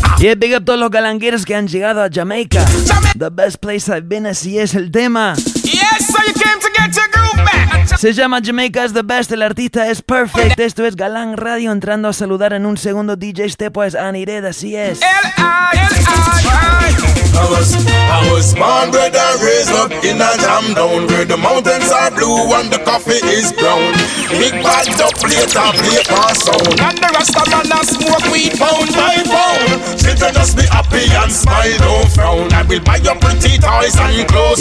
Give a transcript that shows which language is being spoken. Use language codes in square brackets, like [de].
[es] Y yeah, [en] big up [es] todos los galangueros que han llegado a Jamaica. [en] The best place I've been, [es] así es el tema. [en] Yes, so you came to get your groove back. [es] Se llama Jamaica is the best, el artista es Perfect. Esto es Galán Radio entrando a saludar en un segundo DJ Stepwise Anired, así es. [en] I was born, bred and raised up in a jam down, where the mountains are blue and the coffee is brown. Big bad dub plate and play for sound, and the rest of man a smoke weed pound by pound. She tell just be happy and smile, don't frown. I will buy your pretty toys and clothes.